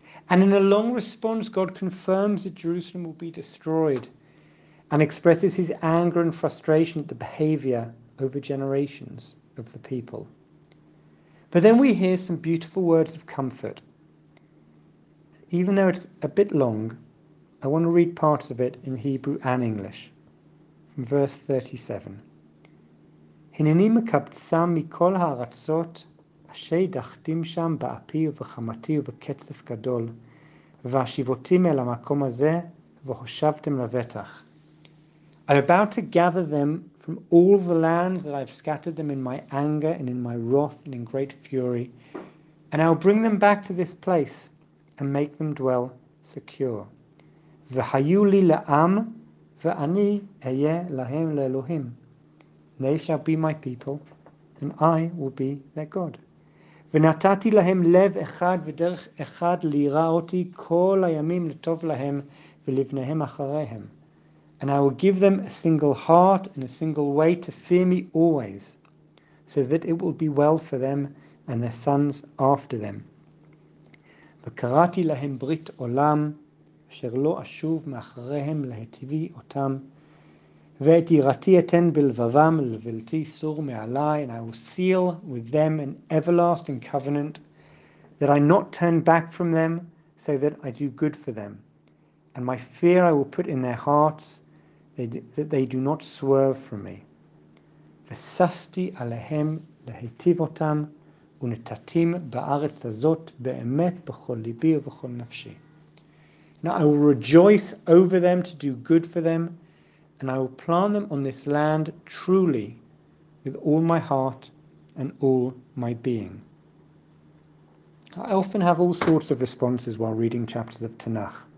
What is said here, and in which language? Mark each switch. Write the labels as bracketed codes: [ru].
[en] And in a long response, God confirms that Jerusalem will be destroyed and expresses his anger and frustration at the behavior over generations of the people. But then we hear some beautiful words of comfort. Even though it's a bit long, I want to read parts of it in Hebrew and English. From verse 37. [he] הנני מקבצה מכל הארצות אשר דחתים שם באפי ובחמתי ובקצף גדול ואשיבותים אל המקום הזה והושבתם לבטח. [en] I'm about to gather them from all the lands that I've scattered them in my anger and in my wrath and in great fury, and I'll bring them back to this place and make them dwell secure. [he] והיו לי לעם ואני אהיה להם לאלוהים. [en] They shall be my people, and I will be their God. [he] ונתתי להם לב אחד ודרך אחד לירא אותי כל הימים לטוב להם ולבניהם אחריהם. [en] And I will give them a single heart and a single way to fear me always, so that it will be well for them and their sons after them. וקראתי להם ברית עולם, אשר לא אשוב מאחריהם להטיבי אותם, ואת יראתי אתן בלבבם לבלתי סור מעלי, and I will seal with them an everlasting covenant, that I not turn back from them, so that I do good for them. And my fear I will put in their hearts, that they do not swerve from me. [he] וססתי עליהם להיטיב אותם, ונתתים בארץ הזאת באמת בכל ליבי ובכל נפשי. [en] Now I will rejoice over them to do good for them, and I will plant them on this land truly with all my heart and all my being. I often have all sorts of responses while reading chapters of Tanakh.